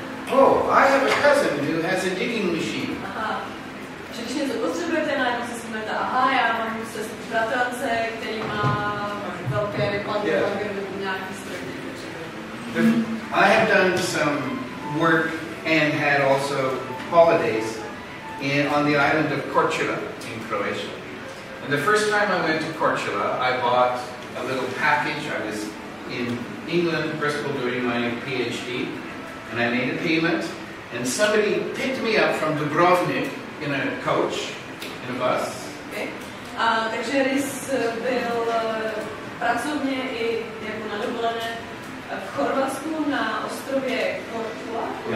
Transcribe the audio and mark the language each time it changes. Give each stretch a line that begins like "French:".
English: Oh, I have a cousin who has a digging machine.
Czech: Když něco potřebujete, najednou si vzpomenete, aha, já mám bratrance, který má velké vypadky, nebo nějaký stroj, který potřebujete.
English: I have done some work and had also holidays on the island of Korčula in Croatia. And the first time I went to Korčula, I bought a little package. I was in England, Bristol, doing my PhD, and I made a payment, and somebody picked me up from Dubrovnik, in a coach, in a bus. Okay.
Czech: Takže Rys byl pracovně i jako na dovolené v Chorvatsku na ostrově Korčula.